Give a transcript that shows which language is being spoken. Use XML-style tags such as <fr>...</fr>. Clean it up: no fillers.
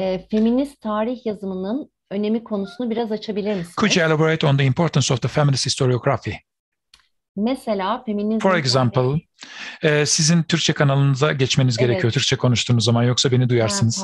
<tr>Feminist tarih yazımının önemi konusunu biraz açabilir misiniz?</tr> <en>Could you elaborate on the importance of the feminist historiography?</en> <tr>Mesela feminizm.</tr> <en>For example,</en> <tr>sizin Türkçe kanalınıza geçmeniz gerekiyor Türkçe konuştuğunuz zaman, yoksa beni duyarsınız.</tr>